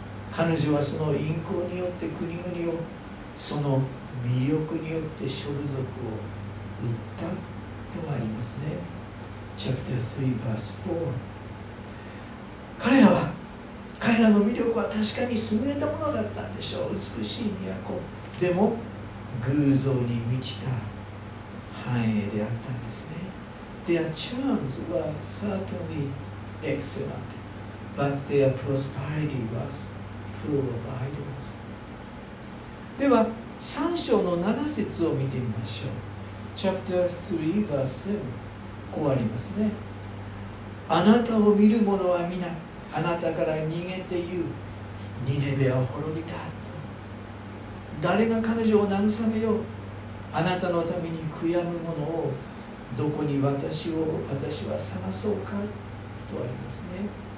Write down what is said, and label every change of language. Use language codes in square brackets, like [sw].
[ja] 彼女はその淫行によって国々を、その魅力によって諸部族を売ったとありますね。 [en] チャプター3バース4。 [ja] 彼らの魅力は確かに優れたものだったんでしょう。美しい都でも偶像に満ちた繁栄であったんですね。 [en] Their charms were certainly excellent, but their prosperity was full of idols. [ja] では3章の7節を見てみましょう。 [en] Chapter 3 verse 7、 [ja] こうありますね。あなたを見る者は皆あなたから逃げて言う、ニネベは滅びたと。誰が彼女を慰めよう。あなたのために悔やむ者をどこに私は探そうかとありますね。